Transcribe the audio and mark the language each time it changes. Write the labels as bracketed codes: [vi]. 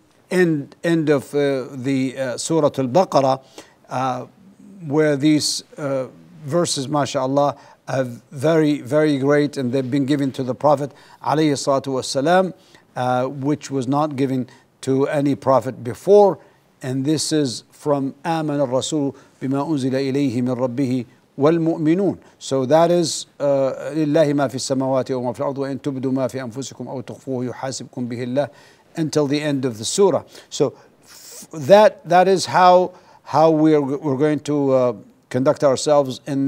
[en] end of the Surah Al-Baqarah, where these verses, mashallah, are very, very great, and they've been given to the Prophet alayhi salatu wasalam, which was not given to any prophet before. And this is from [ar] Aman al-Rasul bima unzila ilayhi min rabbihi والمؤمنون. [en] So that is [ar] لله ما في السماوات وما في الأرض وإن تبدوا ما في أنفسكم أو تخفوه يحاسبكم به الله, [en] until the end of the surah. So that is how we're going to conduct ourselves